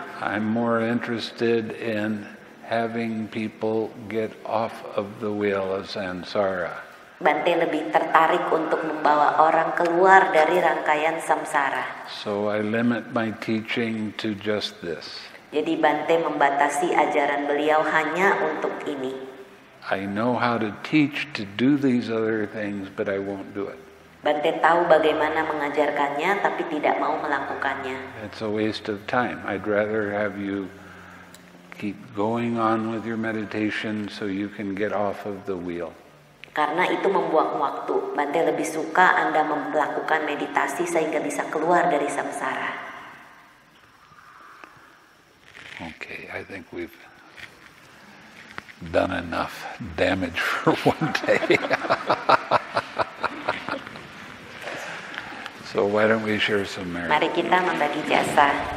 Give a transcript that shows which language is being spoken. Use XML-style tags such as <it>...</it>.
<en>I'm more interested in having people get off of the wheel of samsara.</en> <id>Bhante lebih tertarik untuk membawa orang keluar dari rangkaian samsara.</id> <en>So I limit my teaching to just this.</en> <id>Jadi Bhante membatasi ajaran beliau hanya untuk ini.</id> <en>I know how to teach to do these other things, but I won't do it.</en> <id>Bhante tahu bagaimana mengajarkannya, tapi tidak mau melakukannya.</id> <en>It's a waste of time. I'd rather have you keep going on with your meditation so you can get off of the wheel.</en> <id>Karena itu membuang waktu. Bhante lebih suka Anda melakukan meditasi sehingga bisa keluar dari samsara.</id> <en>Okay, I think we've done enough damage for one day. So why don't we share some merit?</en> <id>Mari kita membagi jasa.</id>